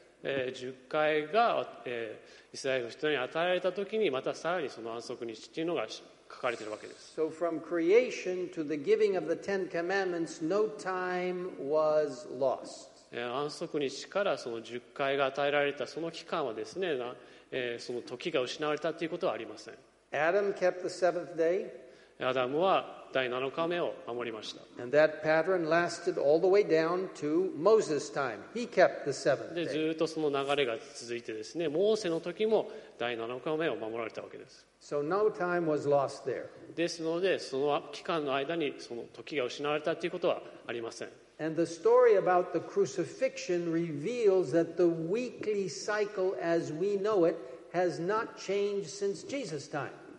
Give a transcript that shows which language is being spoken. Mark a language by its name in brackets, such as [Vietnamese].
[Japanese] 十戒が、イスラエルの人に与えられたときにまたさらにその安息日というのが書かれているわけです。 [English] So from creation to the giving of the Ten Commandments, no time was lost. [Japanese] 安息日からその十戒が与えられたその期間はですね、その時が失われたということはありません。 [English] Adam kept the seventh day. [Japanese] アダムは第7日目を守りました。 [English] And that pattern lasted all the way down to Moses' time. He kept the seventh day. [Japanese] ずっとその流れが続いてですね、モーセの時も第7日目を守られたわけです。 [English] So no time was lost there. [Japanese] ですので、その期間の間にその時が失われたということはありません。 [English] And the story about the crucifixion reveals that the weekly cycle as we know it has not changed since Jesus' time.